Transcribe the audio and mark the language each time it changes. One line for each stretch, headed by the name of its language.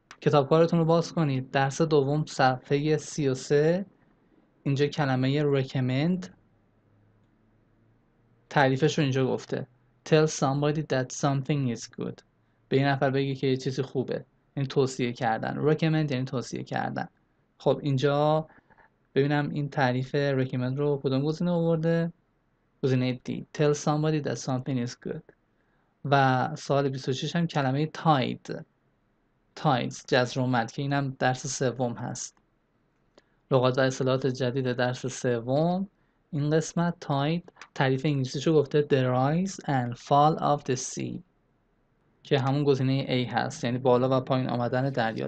Persian: کتاب کارتون رو باز کنید، درس دوم صفحه 33، اینجا کلمه recommend تعریفش رو اینجا گفته:
English: tell somebody that something is good.
Persian: به این نفر بگی که یه چیزی خوبه، این توصیه کردن. recommend یعنی توصیه کردن. خب اینجا ببینم این تعریف recommend رو کدوم گزینه آورده. گزینه D:
English: tell somebody that something is good.
Persian: و سوال 26 هم کلمه tides جزر اومد، که اینم درس سوم هست، لغات و اصطلاحات جدید درس سوم این قسمت. تاید تعریف انگلیسیشو گفته:
English: the rise and fall of the sea،
Persian: که همون گزینه A هست، یعنی بالا و پایین آمدن دریا.